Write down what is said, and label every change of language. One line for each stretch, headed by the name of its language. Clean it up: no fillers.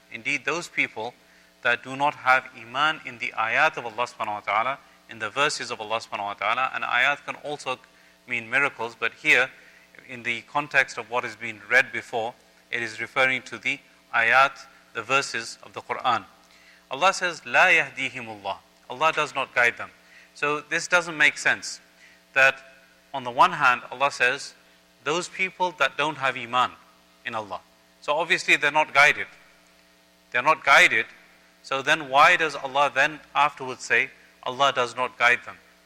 English: Indeed, those people that do not have iman in the ayat of Allah subhanahu wa ta'ala, in the verses of Allah subhanahu wa ta'ala, and ayat can also mean miracles, but here, in the context of what has been read before, it is referring to the ayat, the verses of the Qur'an. Allah says,
Arabic: لَا يَهْدِيهِمُ اللَّهِ.
English: Allah does not guide them. So this doesn't make sense, that on the one hand, Allah says, those people that don't have iman in Allah. So obviously they're not guided. They're not guided. So then why does Allah then afterwards say, Allah does not guide them?